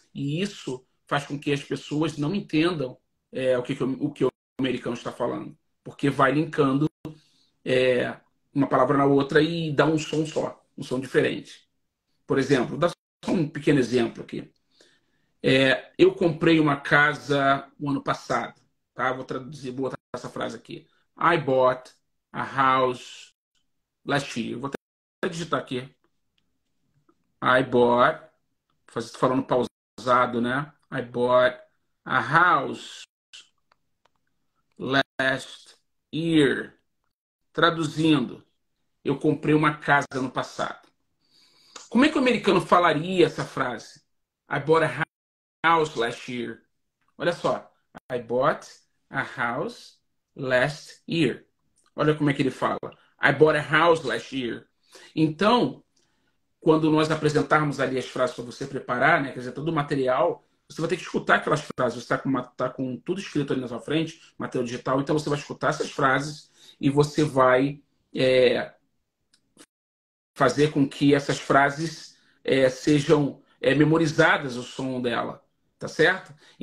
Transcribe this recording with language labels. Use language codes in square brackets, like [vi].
[pt] E isso faz com que as pessoas não entendam o que o americano está falando, porque vai linkando uma palavra na outra e dá um som só, um som diferente. Por exemplo, dá só um pequeno exemplo aqui. Eu comprei uma casa o ano passado, tá? Vou botar essa frase aqui. [en] I bought a house last year. [pt] Vou até digitar aqui. [en] I bought, [pt] falando pausado, né? [en] I bought a house last year. [pt] Traduzindo, eu comprei uma casa no passado. Como é que o americano falaria essa frase? [en] I bought a house last year. [pt] Olha só. [en] I bought a house last year. [pt] Olha como é que ele fala. [en] I bought a house last year. [pt] Então, quando nós apresentarmos ali as frases para você preparar, né, quer dizer, todo o material, você vai ter que escutar aquelas frases. Você tá com tudo escrito ali na sua frente, material digital. Então, você vai escutar essas frases e você vai fazer com que essas frases sejam memorizadas, o som dela. Tá certo?